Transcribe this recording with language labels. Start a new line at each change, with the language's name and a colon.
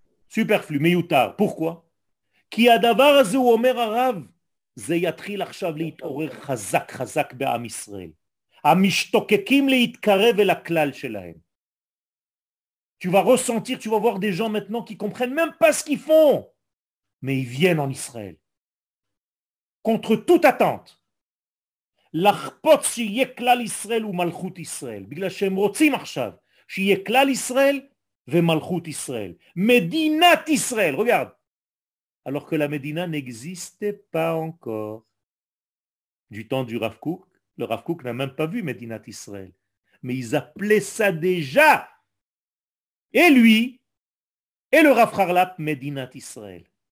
French: סופרפלו,
Hebrew: מיותר.
French: פורקווה?
Hebrew: כי הדבר הזה, הוא אומר הרב, זה יתחיל עכשיו להתעורר חזק חזק בעם ישראל. המשתוקקים להתקרב אל הכלל שלהם.
French: Tu vas ressentir, tu vas voir des gens maintenant qui comprennent même pas ce qu'ils font. Mais ils viennent en Israël. Contre toute attente.
Hebrew: לחפוץ שיהיה כלל ישראל ומלכות ישראל. בגלל שהם רוצים עכשיו שיהיה כלל ישראל ומלכות ישראל. מדינת ישראל,
French: regarde. Alors que la Médina n'existait pas encore. Du temps du Rav Kook, le Rav Kook n'a même pas vu Médinat Israël. Mais ils appelaient ça déjà, et lui, et le Rav Harlap, Médinat Israël.